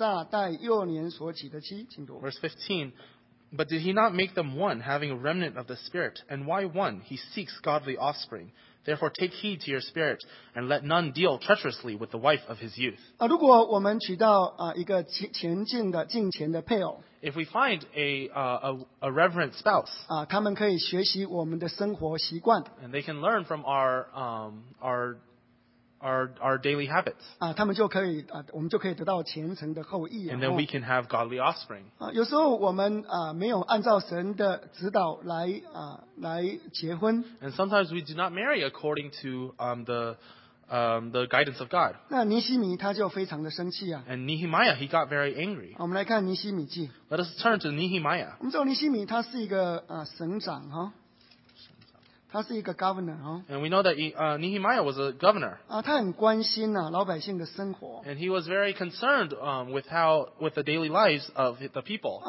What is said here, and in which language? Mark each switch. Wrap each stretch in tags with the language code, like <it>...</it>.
<zh>当然，虽然神有灵的余力能造多人，他不是单造一人吗？为何只造一人呢？乃是他厌人得虔诚的后裔，所以当谨守你们的心，叫谁也不可以诡诈待幼年所起的妻。请读。Verse</zh> <en>15. But did he not make them one, having a remnant of the Spirit? And why one? He seeks godly offspring. Therefore, take heed to your spirit, and let none deal treacherously with the wife of his youth.</en> <zh>如果我们娶到一个前进的敬虔的配偶,</zh> <en>if we find a reverent spouse,</en> <zh>他们可以学习我们的生活习惯,</zh> <en>and they can learn from our daily habits,</en> <zh>他们就可以得到虔诚的后裔,</zh> <en>and then we can have godly offspring.</en> <zh>有时候我们没有按照神的指导来结婚,</zh> <en>and sometimes we do not marry according to the guidance of God.</en> <zh>那尼希米他就非常的生气啊,</zh> <en>and Nehemiah, he got very angry.</en> <zh>我们来看尼希米记,</zh> <en>let us turn to Nehemiah.</en> <zh>我们知道尼希米他是一个省长, 他是一个governor,</zh> <en>and we know that Nehemiah was a governor.</en> <zh>他很关心老百姓的生活。</zh> <en>And he was very concerned with the daily lives of the people.</en>